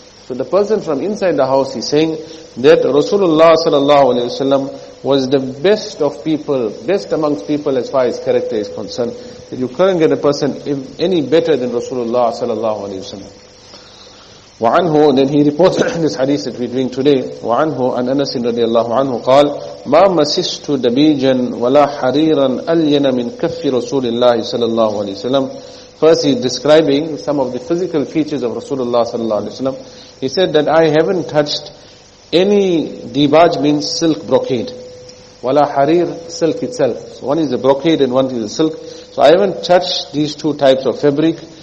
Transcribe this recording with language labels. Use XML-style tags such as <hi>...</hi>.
<en>So the person from inside the house is saying that Rasulullah sallallahu alayhi wa sallam was the best of people, best amongst people as far as character is concerned. That you couldn't get a person any better than Rasulullah sallallahu alayhi wa sallam.</en> <ar>وعنه</ar> <en>then he reports this hadith that we're doing today.</en> <ar>وعنه أن أنس رضي الله عنه قال ما مسست دبيجا ولا حريرا ألين من كف رسول الله صلى الله عليه وسلم.</ar> <en>First he's describing some of the physical features of Rasulullah</en> <ar>صلى الله عليه وسلم.</ar> <en>He said that I haven't touched any dibaj, means silk brocade,</en> <ar>ولا حرير,</ar> <en>silk itself. So one is the brocade and one is the silk. So I haven't touched these two types of fabric.</en>